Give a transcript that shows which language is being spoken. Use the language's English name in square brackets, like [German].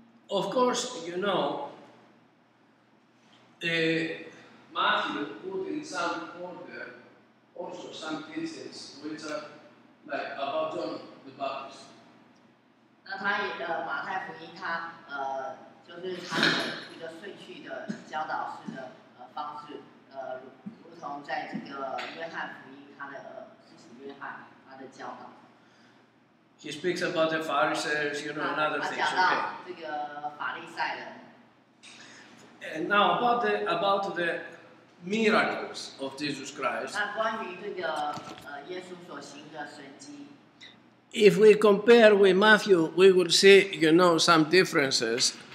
[English] Of course, you know, Matthew put in some order also some teachings which are like about John the Baptist. [Chinese] 那他也的马太福音，他就是他的一个顺序的教导式的方式，如同在这个约翰福音，他的使徒约翰他的教导。 [English] He speaks about the Pharisees, you know, and other things, okay? [Chinese] 这个法利赛人。 [English] And now about the miracles of Jesus Christ. [Chinese] 那关于这个耶稣所行的神迹。 [English] If we compare with Matthew, we will see, you know, some differences.